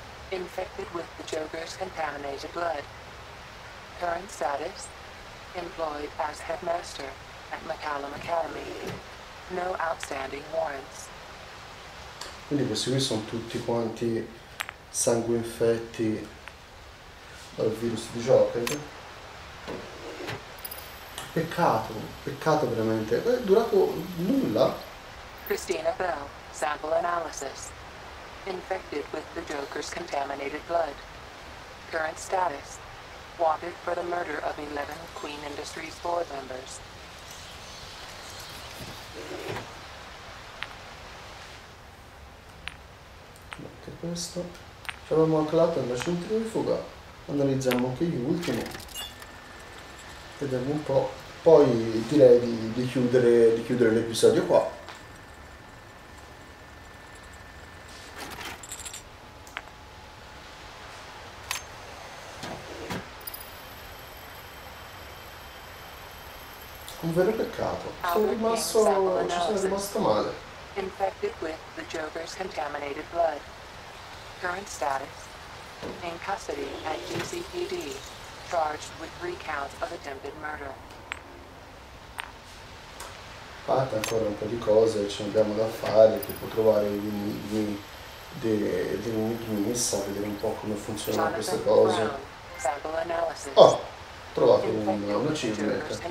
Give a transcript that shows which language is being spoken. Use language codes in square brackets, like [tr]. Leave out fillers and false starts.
[en] Infected with the Joker's contaminated blood. Current status. employed as headmaster at McCallum Academy. No outstanding warrants. [it] Quindi questi qui sono tutti quanti sangue infetti dal virus di Joker. Peccato, peccato veramente. È durato nulla. [en] Christina Bell, sample analysis. Infected with the Joker's contaminated blood. Current status. Wanted for the murder of 11 Queen Industries board members. [it] Anche questo. Abbiamo anche l'altro, invece l'ultimo di fuga. Analizziamo anche gli ultimi. Vediamo un po'. Poi direi di chiudere l'episodio qua. Un vero peccato. Ci sono rimasto male. [en] Infected with the Joker's contaminated blood. Current status. In custody at GCPD. Charged with recount of attempted murder. [it] Fatta ancora un po' di cose ci abbiamo da fare, tipo trovare dei enigmista, vedere un po' come funzionano queste cose. Oh, ho trovato un achievement.